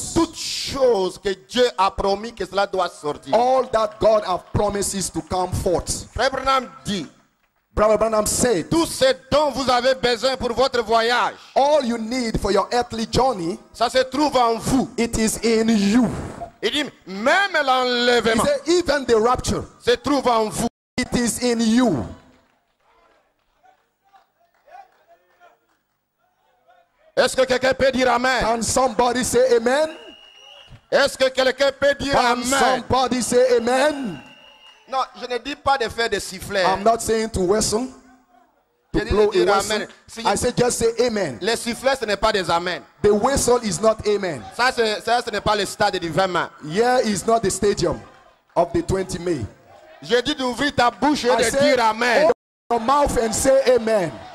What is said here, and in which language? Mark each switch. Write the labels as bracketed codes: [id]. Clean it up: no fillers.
[fr] toute chose que Dieu a promis que cela doit sortir. [en] All that God has promises to come forth. [fr] Frère Branham dit, [en] Brother Branham said, [fr] tout ce dont vous avez besoin pour votre voyage, [en] all you need for your earthly journey, [fr] ça se trouve en vous. [en] It is in you. [fr] Il dit, même l'enlèvement, [en] he said, even the rapture, [fr] se trouve en vous. [en] It is in you. [fr] Est-ce que quelqu'un peut dire amen? [en] Can somebody say amen? [fr] Est-ce que quelqu'un peut dire [en] Can [fr] amen? [en] Can somebody say amen? [fr] Non, je ne dis pas de faire des sifflets. [en] I'm not saying to whistle. To je blow a whistle. Amen. I say just say amen. [fr] Les sifflets ce n'est pas des amen. [en] The whistle is not amen. [fr] Ça ce n'est pas le stade du 20 mai. [en] Here is not the stadium of the 20 May. [fr] Je dis d'ouvrir ta bouche et [en] I [fr] de [en] say, [fr] dire amen. [en] Open your mouth and say amen.